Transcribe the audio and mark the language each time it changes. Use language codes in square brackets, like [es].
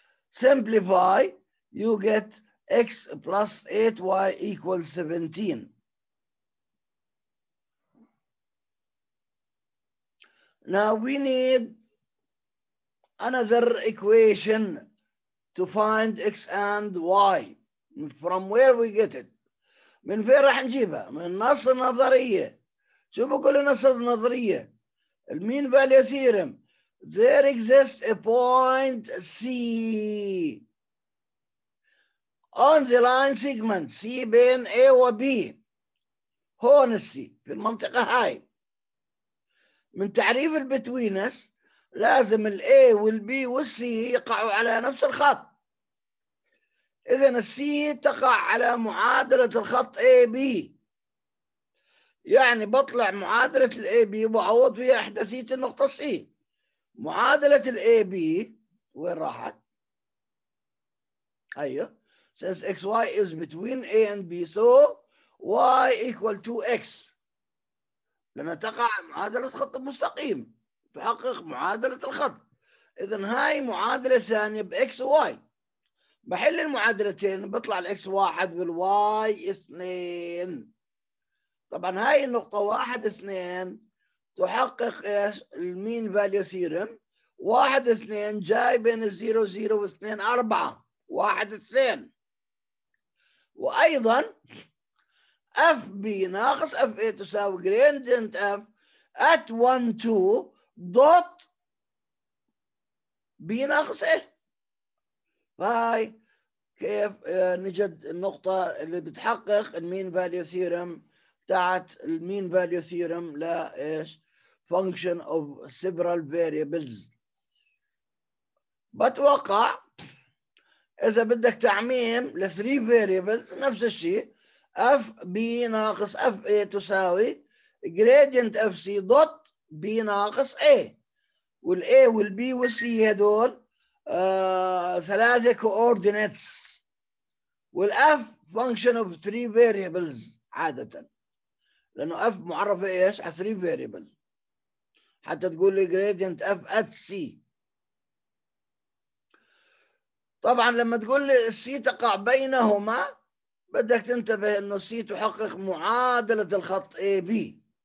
[en] Simplify, you get x plus 8y equals 17. Now we need another equation to find x and y. From where we get it? [ar] من فين راح نجيبها؟ من نص النظرية. شو بقول النص النظرية؟ المين فاليو ثيرم. [en] There exists a point C on the line segment C [ar] بين [en] A و B. [ar] هون C في المنطقة هاي. من تعريف البتوينس لازم الـ A والـ B والـ C يقعوا على نفس الخط. إذا الـC تقع على معادلة الخط AB، يعني بطلع معادلة الAB وبعوض فيها إحداثية النقطة C. معادلة الAB وين راحت؟ أيوة، [en] since xy is between A and B so y equal to x، [ar] لما تقع معادلة خط المستقيم، بحقق معادلة الخط. إذن هاي معادلة ثانية بX وY. بحل المعادلتين بطلع الX واحد والY اثنين. طبعا هاي النقطة واحد اثنين تحقق إيش؟ المين فاليو ثيرم. واحد اثنين جاي بين الزيرو زيرو واثنين أربعة، واحد اثنين. وأيضا F B ناقص F A تساوي [en] gradient F at 1 2 dot [ar] B ناقص A. فهاي كيف نجد النقطة اللي بتحقق المين فاليو ثيرم بتاعت المين فاليو ثيرم لايش؟ [en] function of several variables. [ar] بتوقع إذا بدك تعميم ل 3 variables نفس الشيء، f b ناقص f a تساوي gradient f c dot b ناقص a. وال a وال b وال c هدول ثلاثة coordinates، وال f [en] function of 3 variables [ar] عادة، لأنه f معرفة إيش؟ على 3 variables. حتى تقول لي gradient f at c، طبعا لما تقول لي c تقع بينهما بدك تنتبه انه سي تحقق معادلة الخط اي بي.